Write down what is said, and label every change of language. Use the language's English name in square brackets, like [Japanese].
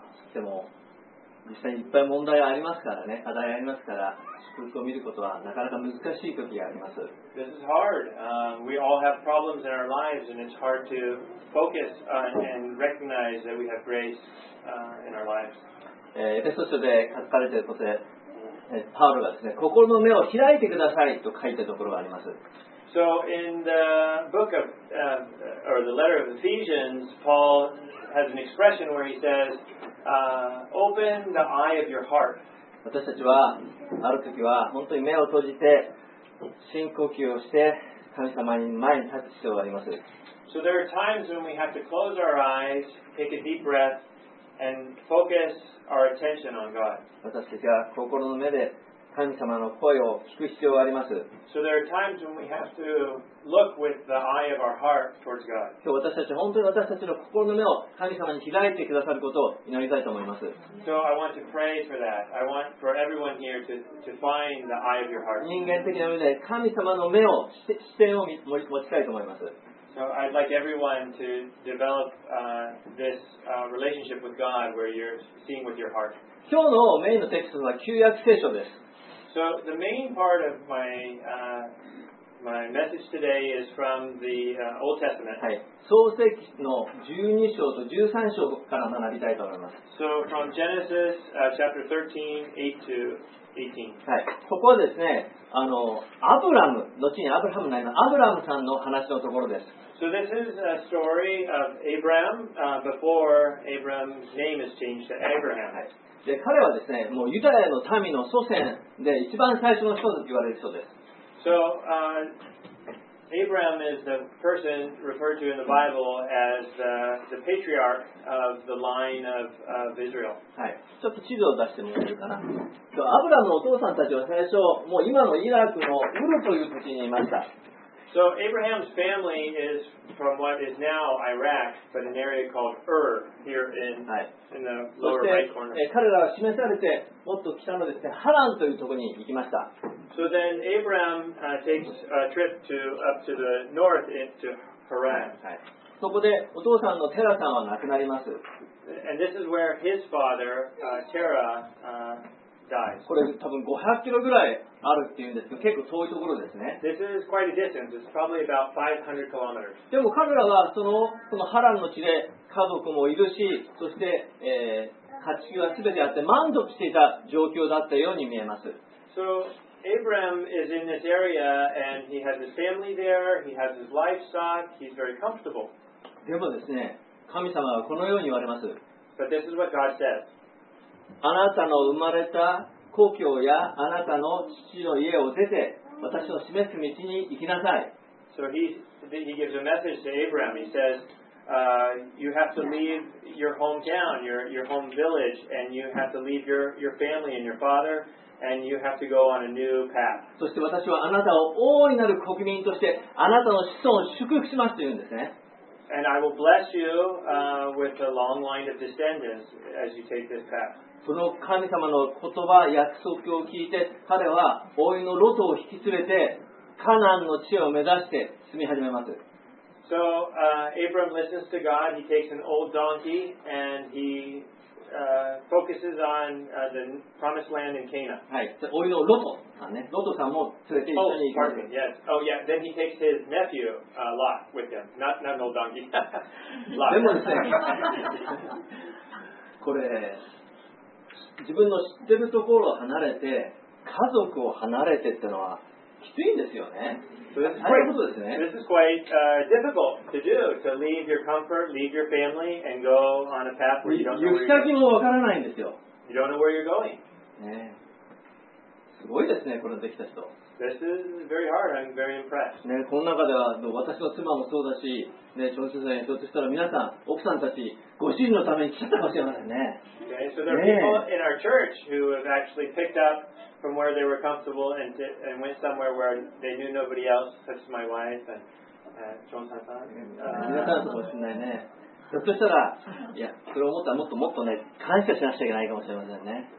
[Japanese] でも実際いっぱい問題ありますからね、課題ありますから、祝福を見ることはなかなか難しい時があります。 [English] This is hard. We all have problems in our lives, and it's hard to focus and recognize that we have grace in our lives. [Japanese] エペソ書で書かれていることで、パウロがですね、心の目を開いてくださいと書いたところがあります。 [English] So in the book of, or the letter of Ephesians, Paul has an expression where he says, open the eye of your heart. [Japanese] 私たちはある時は本当に目を閉じて深呼吸をして神様に前に立つ必要があります。 [English] So there are times when we have to close our eyes, take a deep breath, and focus our attention on God. [Japanese] 私たちは心の目で神様の声を聞く必要があります。 [English] So there are times when we have to look with the eye of our heart towards God. [Japanese] 今日私たち本当に私たちの心の目を神様に開いてくださることを祈りたいと思います。 [English] So I want to pray for that. I want for everyone here to find the eye of your heart. [Japanese] 人間的な目で神様の目を視点を持ちたいと思います。 [English] So I'd like everyone to develop this relationship with God where you're seeing with your heart. [Japanese] 今日のメインのテキストは旧約聖書です。 [English] So the main part of my my message today is from the Old Testament. [Japanese] はい、創世記の12章と13章から学びたいと思います。 [English] So from Genesis chapter 13:8-18. [Japanese] はい、ここはですね、アブラム、後にアブラムになりますアブラムさんの話のところです。 [English] So this is a story of Abraham before Abraham's name is changed to Abraham. [Japanese] はい。で彼はですね、もうユダヤの民の祖先で一番最初の人と言われる人です。 [English] So, Abraham is the person referred to in the Bible as the patriarch of the line of Israel. [Japanese] はい。ちょっと地図を出してもらえるかな。アブラムのお父さんたちは最初、もう今のイラクのウルという土地にいました。 [English] So Abraham's family is from what is now Iraq, but an area called Ur here in,、 [Japanese] はい、 [English] in the lower right corner. [Japanese] 彼らは示されてもっと北のですね、ハランというところに行きました。 [English] So then Abraham takes a trip to up to the north into Haran.、 [Japanese] はい、そこでお父さんのテラさんは亡くなります。 [English] And this is where his father, Terah, dies. [Japanese] これ多分500キロぐらいあるっていうんですけど、結構遠いところですね。 [English] This is quite a distance. It's probably about 500 kilometers. [Japanese] でも彼らはそのハランの地で家族もいるし、そして、家畜は全てあって満足していた状況だったように見えます。 [English] So Abraham is in this area and he has his family there. He has his livestock. He's very comfortable. [Japanese] でもですね、神様はこのように言われます。 [English] But this is what God says. [Japanese] あなたの生まれた故郷やあなたの父の家を出て私の示す道に行きなさい。 [English] So he gives a message to Abraham. He says, you have to leave your hometown, your home village, and you have to leave your family and your father, and you have to go on a new path. [Japanese] そして私はあなたを大いなる国民としてあなたの子孫を祝福しますと言うんですね。 [English] And I will bless you with a long line of descendants as you take this path. [Japanese] その神様の言葉、約束を聞いて、彼は甥のロトを引き連れて、カナンの地を目指して住み始めます。 [English] So, Abram listens to God. He takes an old donkey and he focuses on the promised land in Cana. [Japanese] はい。甥のロトさんね。ロトさんも連れて一緒に行きます。 [English] Oh, pardon. Yes. Oh, yeah. Then he takes his nephew, Lot, with him. Not an old donkey. [Japanese] Lot. でもですね。これ。自分の知ってるところを離れて家族を離れてってのはきついんですよね。 [English] So、this is quite, [Japanese] ですね。 [English] This is quite difficult to do to leave your comfort, leave your family, and go on a path where you don't know where you're going. [Japanese] 行き先もわからないんですよ。 [English] You don't know where you're going.、 [Japanese] ね、すごいですね、これできた人。 [English] This is very hard. I'm very impressed.、 [Japanese] ね、この中では私の妻もそうだし、ね、調子さんにとってしたら皆さん奥さんたち。ご主人のために来ちゃったかもしれませんね。 [English] Okay, so there are people in our church who have actually picked up from where they were comfortable and went somewhere where they knew nobody else, such as my wife and Chonsan-san. [Japanese] 皆さんかもしれないね。ひょっとしたら、いや、それを思ったらもっともっとね、感謝しなくちゃいけないかもしれませんね。